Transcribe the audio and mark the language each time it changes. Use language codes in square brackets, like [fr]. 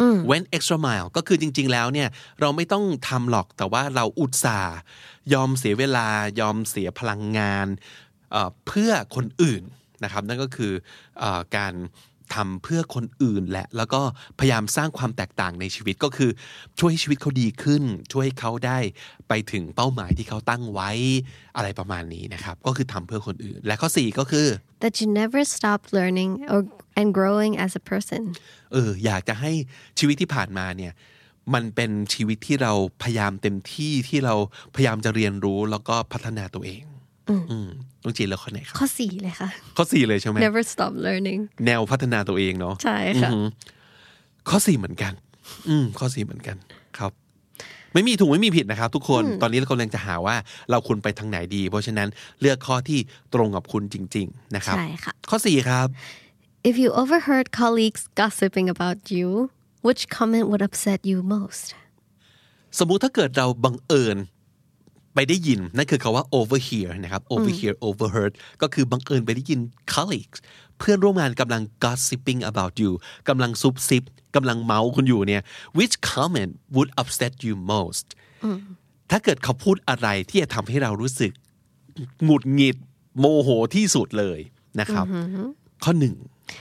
[en] went extra mile [th] ก็คือจริงๆแล้วเนี่ยเราไม่ต้องทำหรอกแต่ว่าเราอุตส่าห์ยอมเสียเวลายอมเสียพลังงานเพื่อคนอื่นนะครับนั่นก็คือการทำเพื่อคนอื่นแหละแล้วก็พยายามสร้างความแตกต่างในชีวิตก็คือช่วยให้ชีวิตเขาดีขึ้นช่วยให้เขาได้ไปถึงเป้าหมายที่เขาตั้งไว้อะไรประมาณนี้นะครับก็คือทำเพื่อคนอื่นและข้อ4ก็คือ [en] that you never stop learning or and growing as a person [th] อยากจะให้ชีวิตที่ผ่านมาเนี่ยมันเป็นชีวิตที่เราพยายามเต็มที่ที่เราพยายามจะเรียนรู้แล้วก็พัฒนาตัวเองต้องจีนแล้วข้อไหนครับ ข้อ4เลยค่ะ ข้อ4เลยใช่ไหม [en] Never stop learning [th] แนวพัฒนาตัวเองเนาะ ใช่ค่ะ ข้อ4เหมือนกันข้อ4เหมือนกันครับไม่มีถูกไม่มีผิดนะครับทุกคนตอนนี้เรากำลังจะหาว่าเราควรไปทางไหนดีเพราะฉะนั้นเลือกข้อที่ตรงกับคุณจริงๆนะครับ ใช่ค่ะ ข้อ4ครับ [en] If you overheard colleagues gossiping about you which comment would upset you most [th] สมมุติถ้าเกิดเราบังเอิญไปได้ยินนั่นคือคำว่า overhear นะครับ overhear overheard ก็คือบังเอิญไปได้ยิน colleagues เพื่อนร่วมงานกำลัง [en] gossiping about you [th] กำลังซุบซิบกำลังเมาคุณอยู่เนี่ย [en] which comment would upset you most [th] ถ้าเกิดเขาพูดอะไรที่จะทำให้เรารู้สึกหงุดหงิดโมโหที่สุดเลยนะครับข้อ1